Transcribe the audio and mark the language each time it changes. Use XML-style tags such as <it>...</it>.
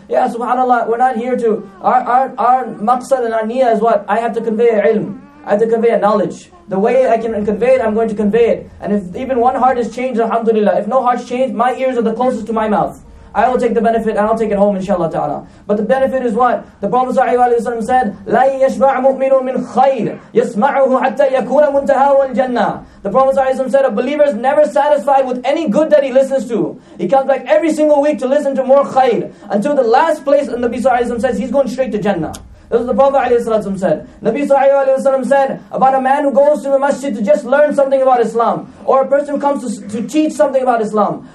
<en>Yeah, subhanAllah, we're not here to, our maqsad and our niyah is what? I have to convey ilm. I have to convey a knowledge. The way I can convey it, I'm going to convey it. And if even one heart is changed, alhamdulillah, if no heart's changed, my ears are the closest to my mouth. I will take the benefit and I'll take it home, inshallah ta'ala. But the benefit is what? The Prophet ﷺ said,</en> <ar>لَا يَشْبَعْ مُؤْمِنٌ مِّنْ خَيْرٍ يَسْمَعُهُ حَتَّى يَكُونَ مُنْتَهَا وَالْجَنَّةِ.</ar> <en>The Prophet ﷺ said, a believer is never satisfied with any good that he listens to. He comes back every single week to listen to more khayr. Until the last place, and the Nabi ﷺ says, he's going straight to Jannah. This is what the Prophet ﷺ said. Nabi ﷺ said about a man who goes to the masjid to just learn something about Islam, or a person who comes to teach something about Islam.</en>